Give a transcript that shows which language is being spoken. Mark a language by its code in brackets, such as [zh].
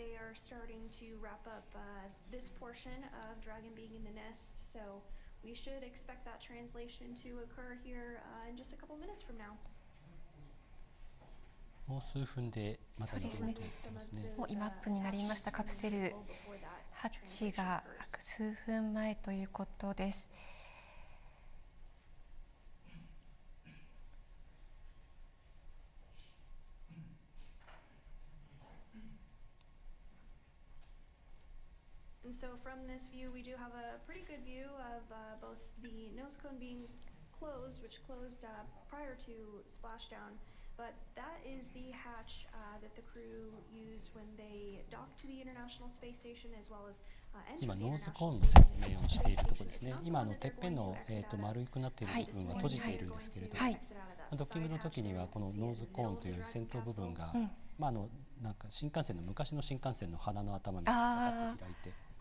[en] starting to wrap up this portion of Dragon being in the nest, so we should expect that translation to occur here in just a couple minutes from now. [ja] もう数分でまさに来ると言ってますね。もうイマップになりました。カプセルハッチが数分前ということです。 [en] So from this view, we do have a pretty good view of both the nose cone being closed, which closed prior to splashdown. But that is the hatch that the crew use when they dock to the International Space Station, as well as [ja] 今ノーズコーンの説明をしているところですね。今あのてっぺんの丸くなっている部分は閉じているんですけれども、ドッキングの時にはこのノーズコーンという先頭部分が、まああのなんか新幹線の昔の新幹線の鼻の頭にパカッと開いて。